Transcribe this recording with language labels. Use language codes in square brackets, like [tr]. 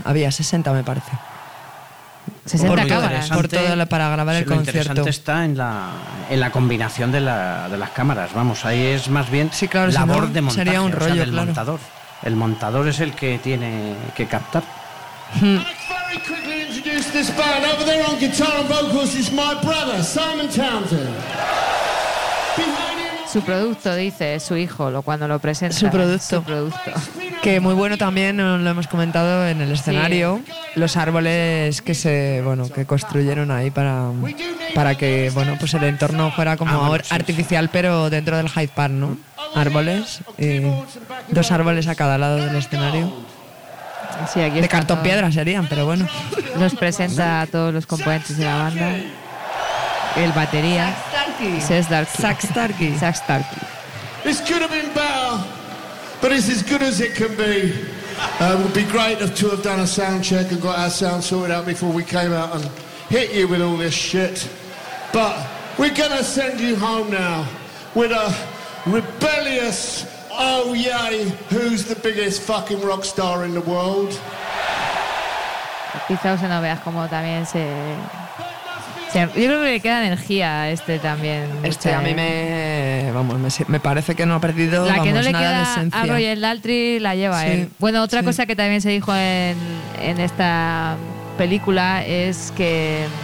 [es] Había 60, me parece. 60 cámaras. Por todo para grabar el concierto. Lo interesante está en la combinación de las cámaras. Vamos, ahí es más bien labor de montaje. Sería un rollo, del montador. El montador es el que tiene que captar. [en] This band over there on guitar and vocals is my brother Simon Townsend. [es] Su producto, dice, es su hijo, cuando lo presenta. Su producto. Su producto. Que muy bueno también, lo hemos comentado en el escenario. Sí. Los árboles que se construyeron ahí para que el entorno fuera como artificial, pero dentro del Hyde Park, ¿no? árboles, dos árboles a cada lado del escenario. Sí, aquí de cartón todo. Piedra serían, pero bueno. Nos presenta a todos los componentes de la banda. El batería. Zach Starkey. Zach Starkey. [en] It's could have been better, but it's as good as it can be. It would be great to have done a sound check and got our sound sorted out before we came out and hit you with all this shit. But we're gonna send you home now with a rebellious, oh yay, who's the biggest fucking rock star in the world? [es] Quizá no veas cómo también se. Yo creo que le queda energía a este también. Este a mí me. Vamos, me parece que no ha perdido la que vamos, no le nada queda de esencia. A Roger Daltrey la lleva sí, él. Bueno, otra sí. cosa que también se dijo en esta película es que.